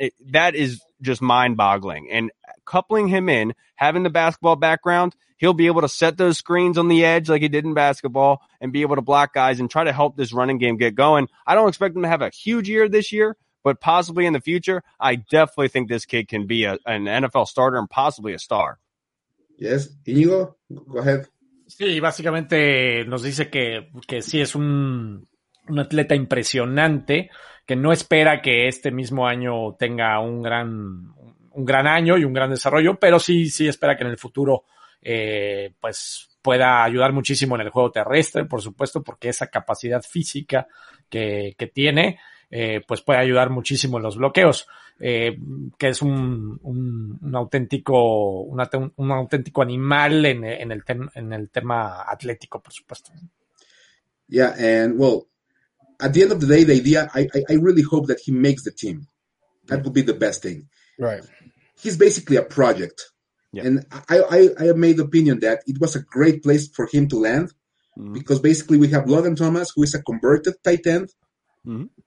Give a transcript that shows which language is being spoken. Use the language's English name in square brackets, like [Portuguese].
[English] That is just mind-boggling. And coupling him in, having the basketball background, he'll be able to set those screens on the edge like he did in basketball and be able to block guys and try to help this running game get going. I don't expect him to have a huge year this year, but possibly in the future, I definitely think this kid can be an NFL starter and possibly a star. Yes, Inigo, go ahead. [Spanish] Sí, básicamente nos dice que sí es un atleta impresionante, que no espera que este mismo año tenga un gran año y un gran desarrollo, pero sí espera que en el futuro pues pueda ayudar muchísimo en el juego terrestre, por supuesto, porque esa capacidad física que tiene pues puede ayudar muchísimo en los bloqueos, que es un auténtico animal en el tema atlético, por supuesto. [English] Yeah, and well, at the end of the day, the idea, I really hope that he makes the team. That would be the best thing. Right. He's basically a project. Yeah. And I have made the opinion that it was a great place for him to land, because basically we have Logan Thomas, who is a converted tight end. Mm-hmm.